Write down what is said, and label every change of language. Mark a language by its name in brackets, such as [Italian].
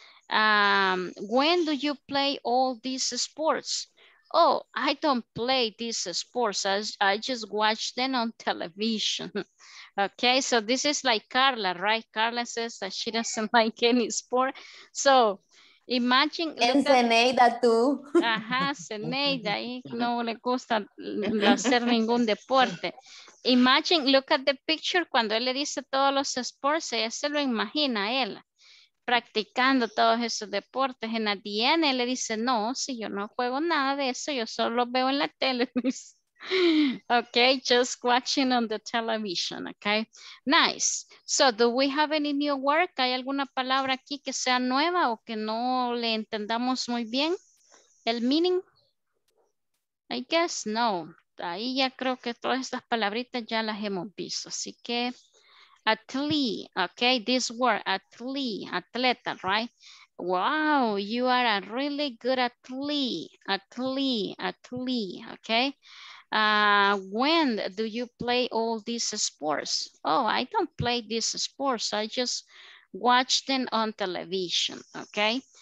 [English] When do you play all these sports? Oh, I don't play these sports. I just watch them on television. Okay, so this is like Carla, right? Carla says that she doesn't like any sport. So imagine. And Zeneida too. [Spanish] Ajá, Zeneida, no le gusta hacer ningún deporte. [English] Imagine, look at the picture, [Spanish] cuando él le dice todos los sports, ella se lo imagina a él. Practicando todos esos deportes en la DNA, le dice, no, si yo no juego nada de eso, yo solo veo en la tele. [English] Okay, just watching on the television, okay? Nice. So, do we have any new work? [Spanish] ¿Hay alguna palabra aquí que sea nueva o que no le entendamos muy bien? ¿El meaning? [English] I guess no. [Spanish] Ahí ya creo que todas estas palabritas ya las hemos visto, así que... [English] Athlete, okay, this word, athlete, atleta, right? Wow, you are a really good athlete, okay? When do you play all these sports? Oh, I don't play these sports. I just watch them on television, okay?